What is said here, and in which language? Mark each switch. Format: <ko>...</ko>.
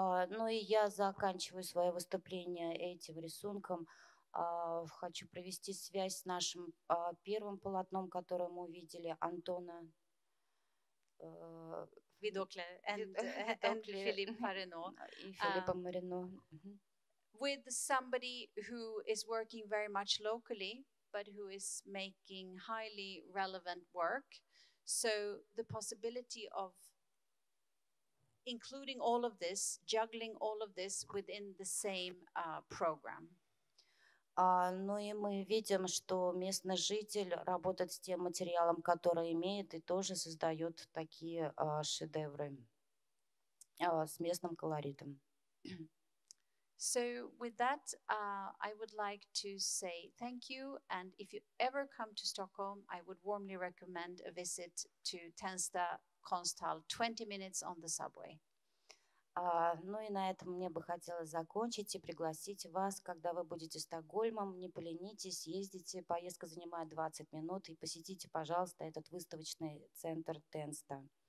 <ru>Ну и я заканчиваю свое выступление этим рисунком. Хочу провести связь с нашим первым полотном, которое мы увидели, Антона Видокле и Филиппа Марино.</ru> <en>With somebody who is working very much locally, but who is making highly relevant work. So the possibility of including all of this, juggling all of this within the same program.</en> <ru>Ну и мы видим, что местный житель работает с тем материалом, который имеет, и тоже создает такие шедевры с местным колоритом.</ru> <en>So with that, I would like to say thank you. And if you ever come to Stockholm, I would warmly recommend a visit to Tensta Kunsthall, 20 minutes on the subway.</en> <ru>Ну и на этом мне бы хотелось закончить и пригласить вас, когда вы будете Стокгольмом, не поленитесь, ездите, поездка занимает 20 минут, и посетите, пожалуйста, этот выставочный центр Тенста.</ru>